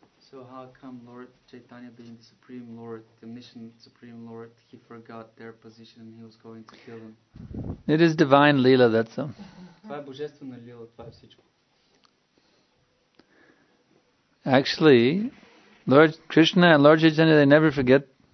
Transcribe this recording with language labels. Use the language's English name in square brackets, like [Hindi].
[English] So how come Lord Chaitanya, being the Supreme Lord, the omniscient Supreme Lord, he forgot their position and he was going to kill them? It is divine lila, that's so. [Bulgarian] Това е божествена лила, това е всичко. [English] Actually, Lord Krishna and Lord Chaitanya, they never forget.